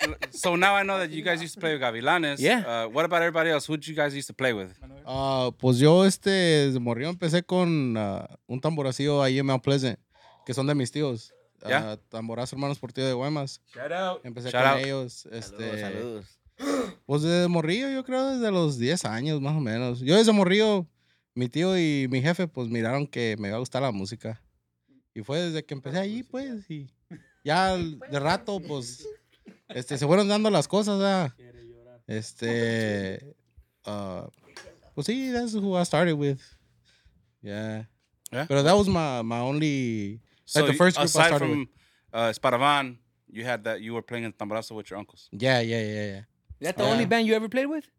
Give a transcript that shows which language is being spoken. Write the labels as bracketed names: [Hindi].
[English] So now I know that you guys used to play with Gavilanes. Yeah. What about everybody else? Who did you guys used to play with? [Spanish] Pues yo, desde morrío, empecé con un tamboracillo ahí en Mount Pleasant, que son de mis tíos. [English] Yeah. [Spanish] Tamborazo Hermanos por Tío de Guaymas. [English] Shout out. [Spanish] Empecé [English] Shout [Spanish] con [English] out. [Spanish] Ellos. Saludos. Pues desde morrillo, yo creo desde los 10 años más o menos. Yo desde morrillo, mi tío y mi jefe pues miraron que me iba a gustar la música. Y fue desde que empecé allí pues. Y ya de rato pues se fueron dando las cosas. [English] Este, well, see, that's who I started with. Yeah. Yeah. But that was my only, so like the first group I started from, with. Aside from Esparavan, you had that, you were playing in tambarazo with your uncles. Yeah. Is that the only band you ever played with?